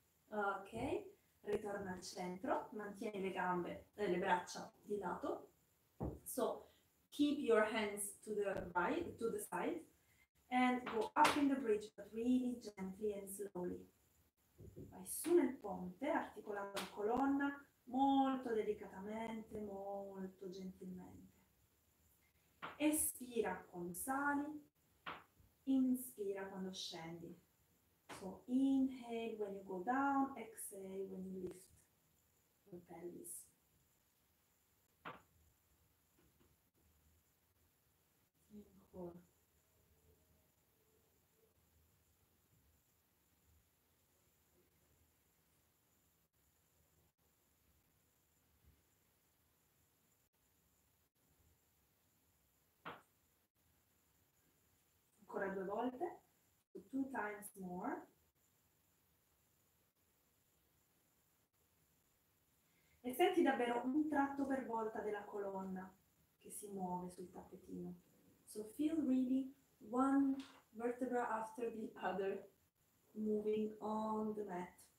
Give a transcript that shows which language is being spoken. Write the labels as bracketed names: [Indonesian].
[Italian] Ok, ritorna al centro, mantieni le gambe e le braccia di lato. [English] So keep your hands to the right, to the side, and go up in the bridge, but really gently and slowly. [Italian] Vai su nel ponte, articolando la colonna molto delicatamente, molto gentilmente. Espira quando sali. Inspira quando scendi. [English] So inhale when you go down, exhale when you lift your pelvis. [Italian] Ancora. Ancora due volte, [English] two times more. [Italian] E senti davvero un tratto per volta della colonna che si muove sul tappetino. [English] So feel really one vertebra after the other moving on the mat.